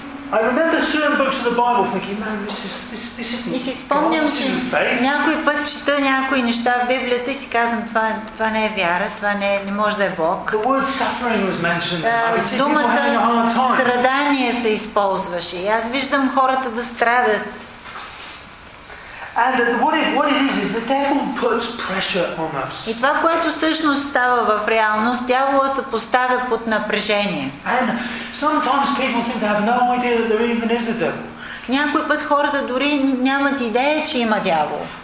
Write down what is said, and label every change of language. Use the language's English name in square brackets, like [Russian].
[English] I remember certain books of the Bible thinking, man, this isn't. [Bulgarian] И си спомням, че някой път чета някои неща в Библията и си казвам, това не е вяра, това не може да е Бог. [English] The word suffering was mentioned. [Bulgarian] Думата страдание се използваше. Аз виждам хората да страдат. [English] And what it is the devil puts pressure on us. [Bulgarian] И това, което всъщност става в реалност, дяволът се поставя под напрежение. [English] And sometimes people seem to have no idea that there even is a devil. [Bulgarian] Някой път хората дори нямат идея, че има дявол.